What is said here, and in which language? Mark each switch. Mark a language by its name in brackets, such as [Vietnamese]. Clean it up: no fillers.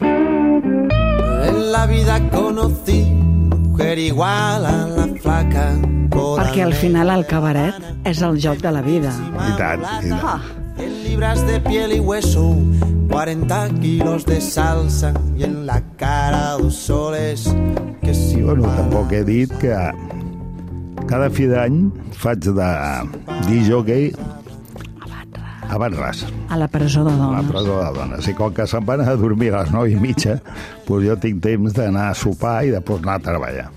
[Spanish] En la vida conocí mujer igual a la flaca. [Catalan] Perquè al final el cabaret és el joc de la vida. I tant, i tant. [Spanish] En libras de piel y hueso, 40 kilos de salsa y en la cara dos soles. [Catalan] Que si bueno, tampoc he dit que cada fi d'any faig de DJ a Batràs. A la presó de dones. A la presó de dones. I com que se'n van a dormir a les 9 i mitja, doncs jo tinc temps d'anar a sopar i després anar a treballar.